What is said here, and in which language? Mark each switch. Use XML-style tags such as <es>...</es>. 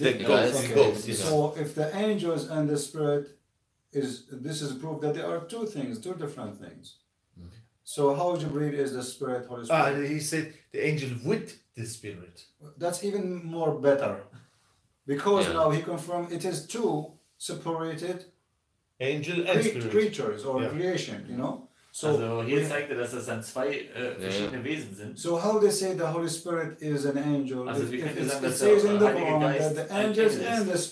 <en>So if the angels and the spirit this is proof that there are two things, two different things. So how Jibreel is the spirit, Holy Spirit? He said the angel with the spirit. That's even more better. Because now he confirmed it is two separated angel and spirit. Creatures or creation, you know?</en> <de>So also hier zeigt er, dass das dann zwei verschiedene Wesen sind.</de> <en>So how they say the Holy Spirit is an angel?</en> <de>Also wie können wir sagen, dass der Heilige Geist ein Engel ist?</de>